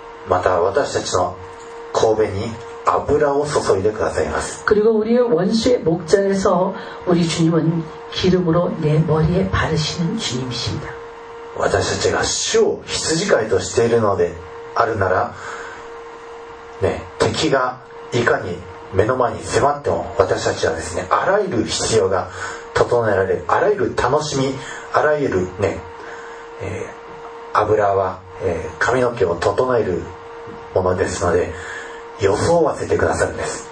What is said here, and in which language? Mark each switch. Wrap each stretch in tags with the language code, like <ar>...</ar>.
<ja>また私たちの頭部に油を注いでくださいます。</ja> <ko>그리고우리의원수의목전에서우리주님은기름으로내머리에바르시는주님이십니다。</ko> <ja>私たちが主を羊飼いとしているのであるなら、ね、敵がいかに目の前に迫っても私たちはですね、あらゆる必要が整えられる、あらゆる楽しみ、あらゆるね、油は、髪の毛を整えるものですので、予想はせてくださるんです。</ja>